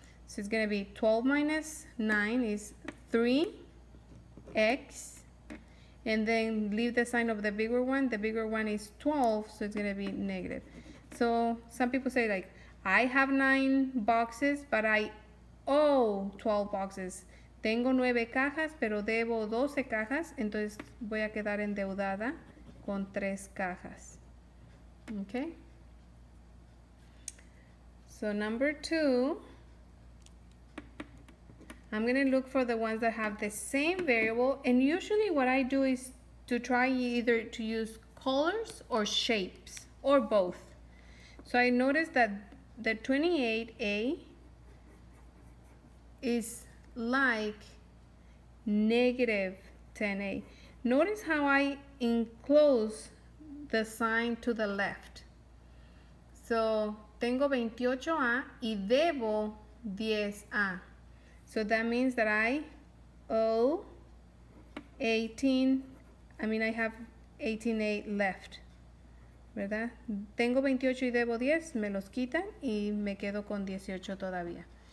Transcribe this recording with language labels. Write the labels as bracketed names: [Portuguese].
[English] So it's gonna be 12 minus 9 is 3x, and then leave the sign of the bigger one. The bigger one is 12, so it's gonna be negative. So some people say like, I have 9 boxes, but I owe 12 boxes. [Spanish] Tengo 9 cajas, pero debo 12 cajas, entonces voy a quedar endeudada con 3 cajas, okay? [English] So number 2, I'm gonna look for the ones that have the same variable, and usually what I do is to try either to use colors or shapes, or both. So I noticed that the 28A is like negative 10A. Notice how I enclose the sign to the left. [Spanish] So, tengo 28A y debo 10A. [English] So that means that I owe 18A left. [Spanish] ¿Verdad? Tengo 28 y debo 10, me los quitan y me quedo con 18 todavía.